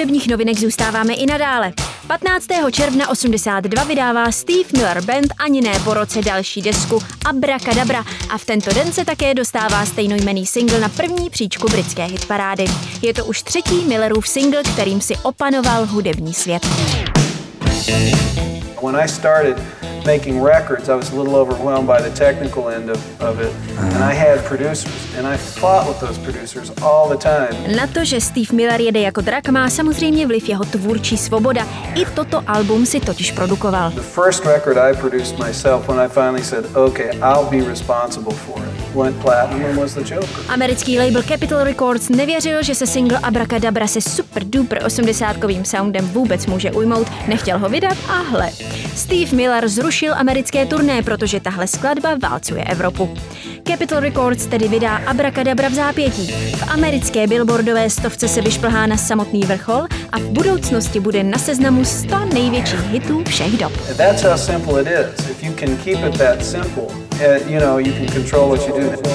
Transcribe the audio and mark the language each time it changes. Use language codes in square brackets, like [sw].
[cs] Novinek zůstáváme i nadále. 15. června 82 vydává Steve Miller Band ani ne po roce další desku Abracadabra a v tento den se také dostává stejnojmenný single na první příčku britské hitparády. Je to už třetí Millerův single, kterým si opanoval hudební svět. [en] When I started making records, I was a little overwhelmed by the technical end of it. And I had producers, and I fought with those producers all the time. [cs] Na to, že Steve Miller jede jako drak, má samozřejmě vliv jeho tvůrčí svoboda. I toto album si totiž produkoval. [en] The first record I produced myself when I finally said, okay, I'll be responsible for it. [cs] Americký label Capitol Records nevěřil, že se single Abracadabra se super duper osmdesátkovým soundem vůbec může ujmout, nechtěl ho vydat a hle. Steve Miller zrušil americké turné, protože tahle skladba válcuje Evropu. Capitol Records tedy vydá Abracadabra v zápětí. V americké billboardové stovce se vyšplhá na samotný vrchol a v budoucnosti bude na seznamu 100 největších hitů všech dob. [en] That's how simple it is. If you can keep it that simple, you know, you can control what you do.